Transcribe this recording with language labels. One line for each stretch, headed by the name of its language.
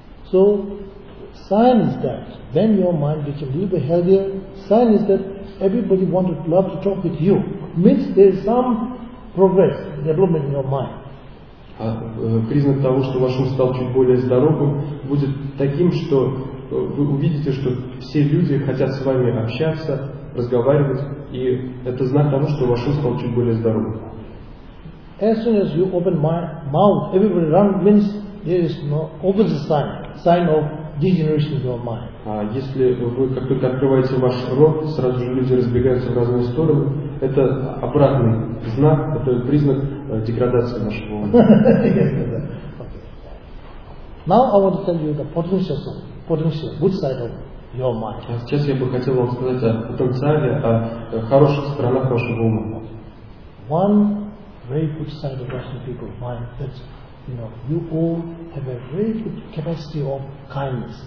English: So sign is that when your mind became a little bit healthier, sign is that everybody wanted to love to talk with you. Means there's some progress, development in your mind.
Russian: Признак того, что ваш ум стал чуть более здоровым, будет таким, что вы увидите, что все люди хотят с вами общаться, разговаривать, и это знак того, что ваш ум стал чуть более здоровым.
English: As soon as you open my mouth, everybody run means there is no opposite sign, sign of degeneration in your mind.
Russian: А если вы как только открываете ваш рот, сразу же люди разбегаются в разные стороны. Это обратный знак, это признак деградации нашего ума.
English: Now I want to tell you the potential, good side of your mind.
Russian: Сейчас я бы хотел вам сказать о потенциале, о хороших сторонах вашего ума.
English: One very good side of Russian people's mind that you know you all have a very good capacity of kindness.